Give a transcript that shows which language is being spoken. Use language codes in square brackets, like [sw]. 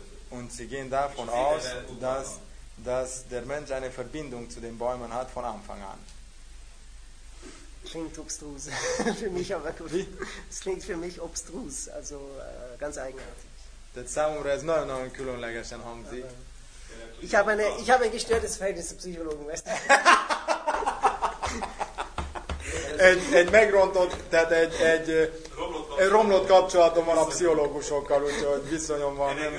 [de] Und sie gehen davon aus, dass dass der Mensch eine Verbindung zu den Bäumen hat von Anfang an. Klingt obstrus für mich, aber gut. Es klingt für mich obstrus, also ganz eigenartig. [hu] Tehát számomra ez nagyon-nagyon különlegesen hangzik. [de] Ich habe eine, ich habe ein gestörtes Verhältnis zu Pszichológen, weißt du? [hu] Egy megrontott, tehát egy romlott kapcsolatom van a pszichológusokkal, úgyhogy viszonyom van.